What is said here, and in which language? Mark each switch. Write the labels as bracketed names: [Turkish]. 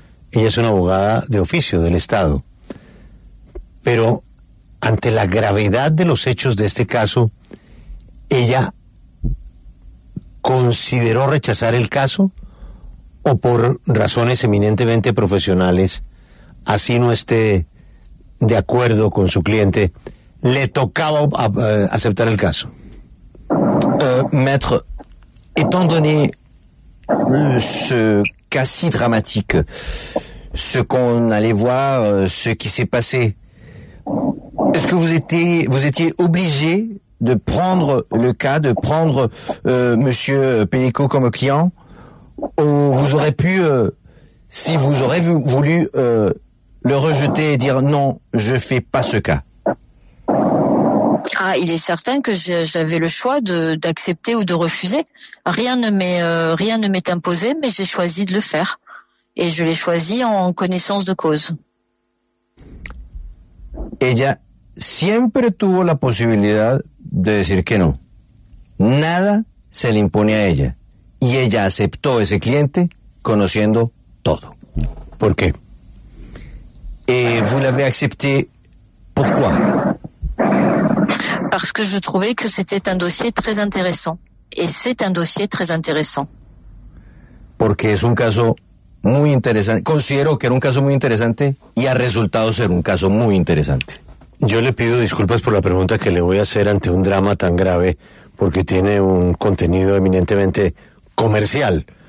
[Spanish] Ella es una abogada de oficio del Estado. Pero ante la gravedad de los hechos de este caso, ¿ella consideró rechazar el caso o por razones eminentemente profesionales, así no esté de acuerdo con su cliente, le tocaba aceptar el caso? [French] Maître, étant donné ce cas si dramatique, ce qu'on allait voir, ce qui s'est passé, est-ce que vous étiez obligé de prendre le cas, de prendre Monsieur Pellicot comme client, ou vous aurez pu, si vous aurez voulu le rejeter et dire non, je fais pas ce cas? Ah, il est certain que j'avais le choix d'accepter ou de refuser. Rien ne m'est imposé, mais j'ai choisi de le faire. Et je l'ai choisi en connaissance de cause. [Spanish] Ella siempre tuvo la posibilidad de decir que no. Nada se le impone a ella. Y ella aceptó ese cliente conociendo todo. ¿Por qué? [French] Et vous l'avez accepté pourquoi? Parce que je trouvais que c'était un dossier très intéressant. Et c'est un dossier très intéressant. [Spanish] Porque es un caso muy interesante. Considero que era un caso muy interesante y ha resultado ser un caso muy interesante. Yo le pido disculpas por la pregunta que le voy a hacer ante un drama tan grave, porque tiene un contenido eminentemente comercial.